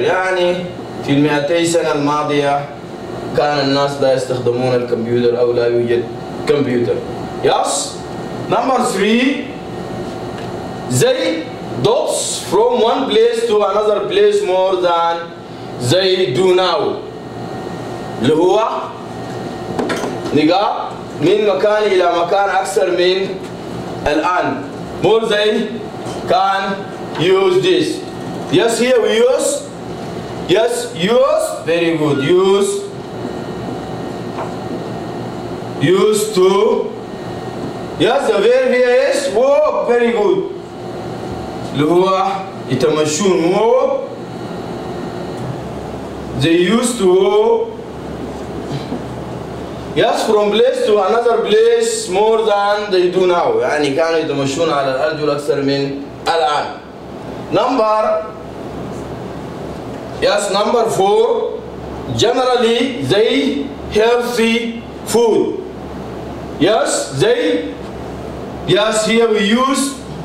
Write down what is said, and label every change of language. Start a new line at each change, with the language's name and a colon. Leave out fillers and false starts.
Arabic: يعني في 200 سنة الماضية كان الناس لا يستخدمون الكمبيوتر أو لا يوجد كمبيوتر.
English: Yes. Number three. They dots from one place to another place more than they do now.
Arabic: اللي هو نقاط من مكان إلى مكان أكثر من الآن. More than can use this.
English: Yes, here we use. Yes, use. Very good. Use. Used to. Yes, the verb here is walk. Very good.
Arabic: اللي هو يتمشون walk.
English: They used to walk. Yes, from place to another place more than they do now.
Arabic: يعني كانوا يتمشون على الأرجل أكثر من الآن.
English: Number. Yes, number four. Generally, they healthy food. Yes, they. Yes, here we use.